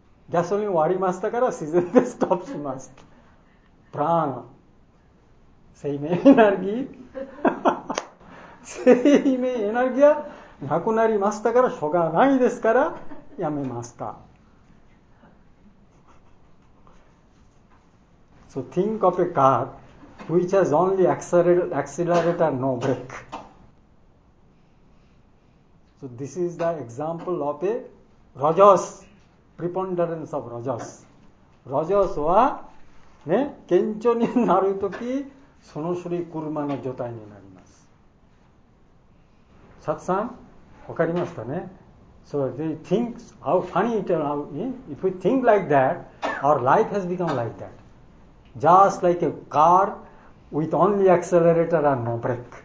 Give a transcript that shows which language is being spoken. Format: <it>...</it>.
<ja>ガソリン終わりましたから自然でストップします。プラン、生命エネルギーはなくなりましたから、しょうがないですからやめました。</ja> <en>So think of a car which has only accelerator no brake. So this is the example of a Rajas, preponderance of Rajas.</en> <ja>Rajas は、ね、顕著になるとき、その種類車の状態になります。サツさん、わかりましたね。</ja> <en>So they think how funny it is. If we think like that, our life has become like that. Just like a car with only accelerator and no brake.</en>